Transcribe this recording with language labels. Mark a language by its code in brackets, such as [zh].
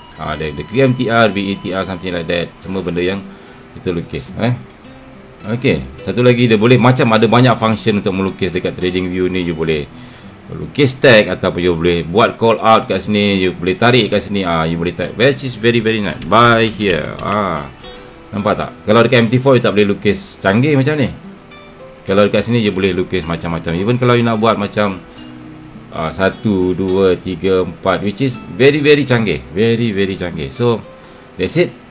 [ms] Ada KMTR, BETR, [en] something like that. [ms] Semua benda yang kita lukis . Okay, satu lagi dia boleh, macam ada banyak function untuk melukis dekat TradingView ni. You boleh lukis tag ataupun you boleh buat call out kat sini. You boleh tarik kat sini. You boleh tag, [en] which is very very nice. Buy here. [ms] Nampak tak? Kalau dekat MT4 you tak boleh lukis canggih macam ni. Kalau dekat sini you boleh lukis macam-macam. [en] Even kalau you [ms] nak buat macam [en] 1, 2, 3, 4, which is very very canggih. So that's it.